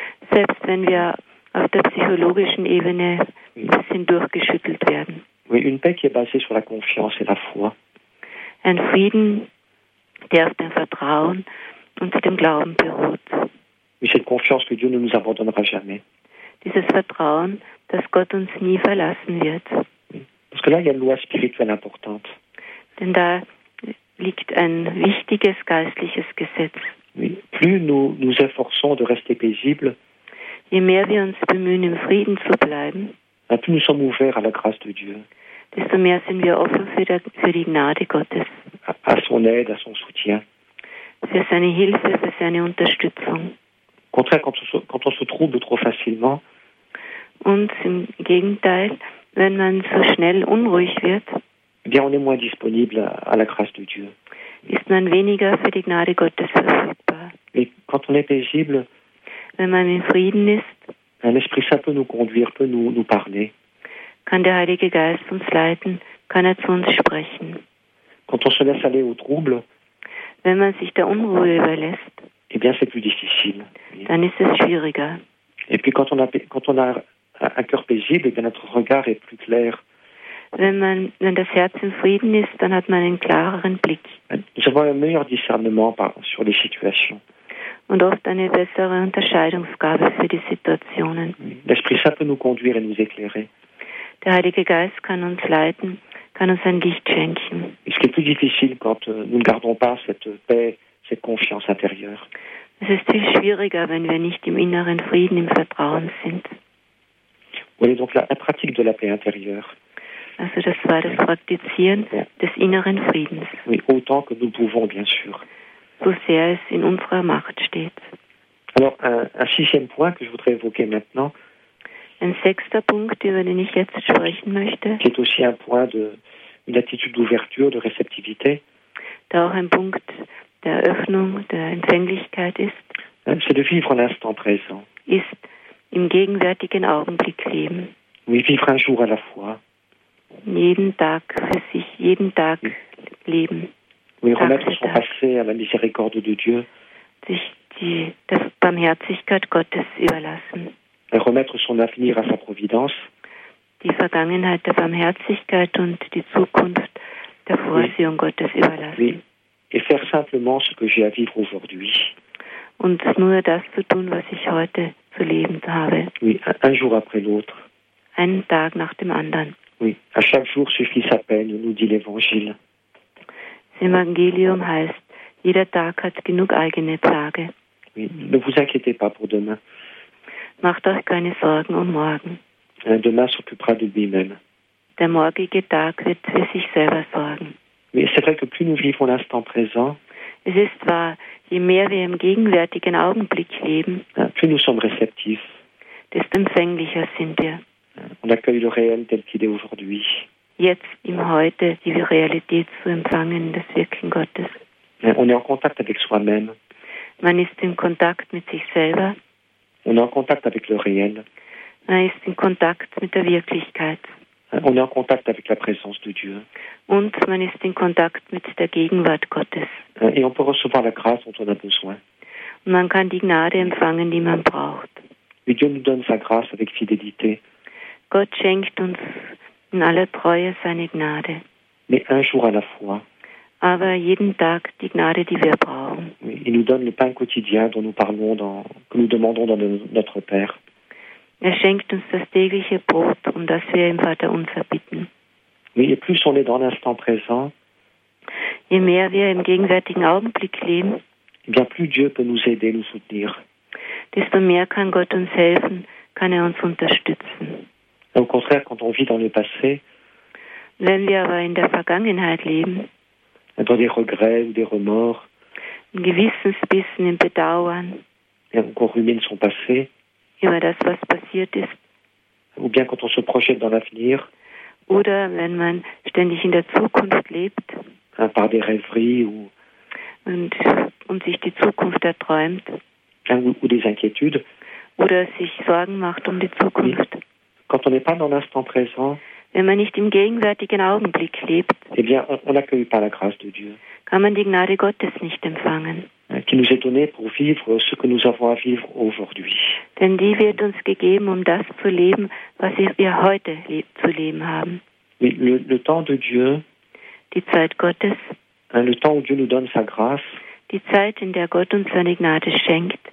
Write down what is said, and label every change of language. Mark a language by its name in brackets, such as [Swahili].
[German] Selbst wenn wir auf der psychologischen Ebene ein bisschen durchgeschüttelt werden. [French] Oui, une paix qui est basée sur la confiance et la foi. [German] Ein Frieden, der auf dem Vertrauen und dem Glauben beruht. [French] Oui, cette confiance que Dieu ne nous abandonnera jamais. [German] Dieses Vertrauen, dass Gott uns nie verlassen wird. [French] Parce que là, il y a une loi spirituelle importante. [German] Denn da liegt ein wichtiges geistliches Gesetz. [French] Oui. Plus nous nous efforçons de rester paisible, [German] je mehr wir uns bemühen, im Frieden zu bleiben, [French] plus nous sommes ouverts à la grâce de Dieu. [German] Desto mehr sind wir offen für die Gnade Gottes. [French] À son aide, à son soutien. [German] Für seine Hilfe, für seine Unterstützung. [French] Au contraire, quand on se trouble trop facilement. [German] Und im Gegenteil, wenn man so schnell unruhig wird, [French] bien, on est moins disponible à la grâce de Dieu. [German] Ist man weniger für die Gnade Gottes verfügbar. [French] Et quand on est paisible, [German] wenn man in Frieden ist, [French] l'Esprit Saint peut nous conduire, peut nous parler. [German] Kann der Heilige Geist uns leiten, kann er zu uns sprechen. [French] Quand on se laisse aller au trouble, [German] wenn man sich der Unruhe überlässt, [French] et bien, c'est plus difficile. [German] Dann ist es schwieriger. [French] Et puis quand on a un cœur paisible, et bien notre regard est plus clair. [German] Wenn das Herz in Frieden ist, dann hat man einen klareren Blick. [French] Nous avons un meilleur discernement sur les situations. [German] Und oft eine bessere Unterscheidungsgabe für die Situationen. [French] L'Esprit Saint peut nous conduire et nous éclairer. [German] Der Heilige Geist kann uns leiten, kann uns ein Licht schenken. [French] Ce qui est plus difficile quand nous ne gardons pas cette paix, cette confiance intérieure. [German] Es ist viel schwieriger, wenn wir nicht im inneren Frieden, im Vertrauen sind. [French] Oui, donc la pratique de la paix intérieure. [German] Also das war das Praktizieren des inneren Friedens. [French] Oui, autant que nous pouvons, bien sûr. [German] So sehr es in unserer Macht steht. [French] Alors, un sixième point que je voudrais évoquer maintenant. [German] Ein sechster Punkt, über den ich jetzt sprechen möchte. [French] Qui est aussi un point une attitude d'ouverture, de réceptivité. [German] Da auch ein Punkt der Öffnung, der Empfänglichkeit ist. [French] C'est de vivre en l'instant présent. [German] Ist im gegenwärtigen Augenblick leben. [French] Oui, vivre un jour à la fois. [German] jeden Tag für sich, jeden Tag leben. [French] Oui, remettre son passé à la miséricorde de Dieu. [German] Sich der Barmherzigkeit Gottes überlassen. [French] Et remettre son avenir à sa providence. [German] Die Vergangenheit der Barmherzigkeit und die Zukunft der Vorsehung Gottes überlassen. [French] Oui. Et faire simplement ce que j'ai à vivre aujourd'hui. [German] Und nur das zu tun, was ich heute zu leben habe. [French] Oui, un jour après l'autre. [German] Einen Tag nach dem anderen. [French] Oui, à chaque jour suffit sa peine, nous dit l'Évangile. [German] Das Evangelium heißt, jeder Tag hat genug eigene Plage. [French] Oui, ne vous inquiétez pas pour demain. [German] Macht euch keine Sorgen um morgen. [French] Demain s'occupera de lui-même. [German] Der morgige Tag wird für sich selber sorgen. [French] Mais c'est vrai que plus nous vivons l'instant présent, [German] es ist wahr, je mehr wir im gegenwärtigen Augenblick leben, [French] plus nous sommes réceptifs, [German] desto empfänglicher sind wir. [French] On accueille le réel tel qu'il est aujourd'hui. [German] Jetzt im Heute die Realität zu empfangen, das Wirken Gottes. [French] On est en contact avec soi-même. [German] Man ist in Kontakt mit sich selber. [French] On est en contact avec le réel. [German] Man ist in Kontakt mit der Wirklichkeit. [French] On est en contact avec la présence de Dieu. [German] Und man ist in Kontakt mit der Gegenwart Gottes. [French] Et on peut recevoir la grâce dont on a besoin. [German] Und man kann die Gnade empfangen, die man braucht. [French] Et Dieu nous donne sa grâce avec fidélité. [German] Gott schenkt uns in aller Treue seine Gnade. [French] Mais un jour à la fois. [German] Aber jeden Tag die Gnade, die wir brauchen. [French] Il nous donne le pain quotidien dont nous parlons, que nous demandons dans notre Père. [German] Er schenkt uns das tägliche Brot, um das wir im Vater unser bitten. [French] Mais plus on est dans l'instant présent, [German] je mehr wir im gegenwärtigen Augenblick leben, [French] bien plus Dieu peut nous aider, nous soutenir. [German] Desto mehr kann Gott uns helfen, kann er uns unterstützen. [French] Au contraire, quand on vit dans le passé, [German] wenn wir aber in der Vergangenheit leben, [French] dans des regrets ou des remords, [German] im Gewissensbissen, im Bedauern, [French] et qu'on rumine son passé, [German] über das, was passiert ist. [French] Ou bien quand on se projette dans l'avenir. [German] Oder wenn man ständig in der Zukunft lebt. [French] Par des rêveries ou. [German] Und sich die Zukunft erträumt. [French] Ou des inquiétudes. [German] Oder sich Sorgen macht um die Zukunft. [French] Quand on n'est pas dans l'instant présent. [German] Wenn man nicht im gegenwärtigen Augenblick lebt. [French] Eh bien, on n'accueille pas la grâce de Dieu. [German] Kann man die Gnade Gottes nicht empfangen. [French] Qui nous est donné pour vivre ce que nous avons à vivre aujourd'hui. [German] Denn die wird uns gegeben, um das zu leben, was wir heute zu leben haben. [French] Le temps de Dieu, [German] die Zeit Gottes, [French] le temps où Dieu nous donne sa grâce, [German] die Zeit, in der Gott uns seine Gnade schenkt,